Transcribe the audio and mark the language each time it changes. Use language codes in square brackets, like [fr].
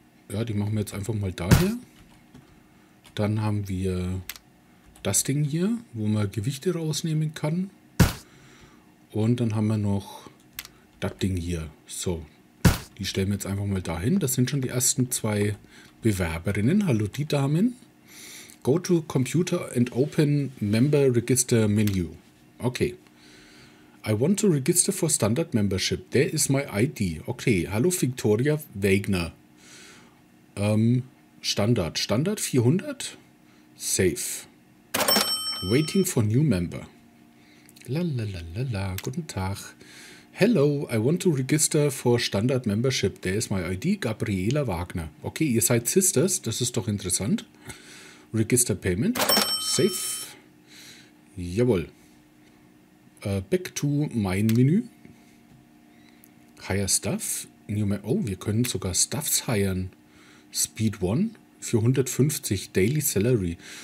[de] Ja, die machen wir jetzt einfach mal daher. Dann haben wir das Ding hier, wo man Gewichte rausnehmen kann. Und dann haben wir noch das Ding hier. So. Die stellen wir jetzt einfach mal dahin. Das sind schon die ersten zwei Bewerberinnen. Hallo, die Damen. [en] Go to Computer and open Member Register Menu. Okay. I want to register for Standard Membership. There is my ID. Okay. [de] Hallo, [en] Victoria Wegner. Standard. Standard 400. Safe. Waiting for new member. La la la la la. [de] Guten Tag. [en] Hello, I want to register for Standard Membership. There is my ID, Gabriela Wagner. [de] Okay, ihr seid Sisters, das ist doch interessant. [en] Register Payment, safe. [de] Jawohl. [en] Back to [de] mein Menü. [en] Hire Staff? [de] Oh, wir können sogar Staffs hiren. [en] Speed One [de] für 150 [en] Daily Salary.